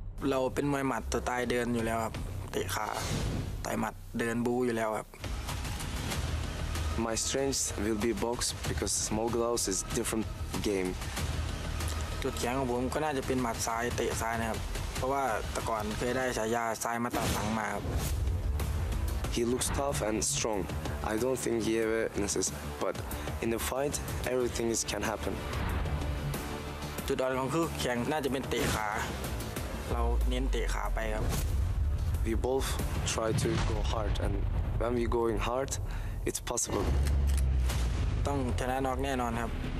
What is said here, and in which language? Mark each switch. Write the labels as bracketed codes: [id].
[th] เราเป็นมวยหมัดตัวตายเดินอยู่แล้วครับเตะขาต่อยหมัดเดินบู้อยู่แล้วครับ [en] My strength will be box because small gloves is different game. [th] จุดแข็งของผมก็น่าจะเป็นหมัดซ้ายเตะซ้ายนะครับเพราะว่าแต่ก่อนเคยได้ฉายาซ้ายมาตัดหลังมาครับ [en] He looks tough and strong. I don't think he ever misses, but in the fight, everything is, can happen. [th] จุดอ่อนของคู่แข่งน่าจะเป็นเตะขาเราเน้นเตะขาไปครับ [en] We both try to go hard, and when we going hard, it's possible. [th] ต้องชนะน็อกแน่นอนครับ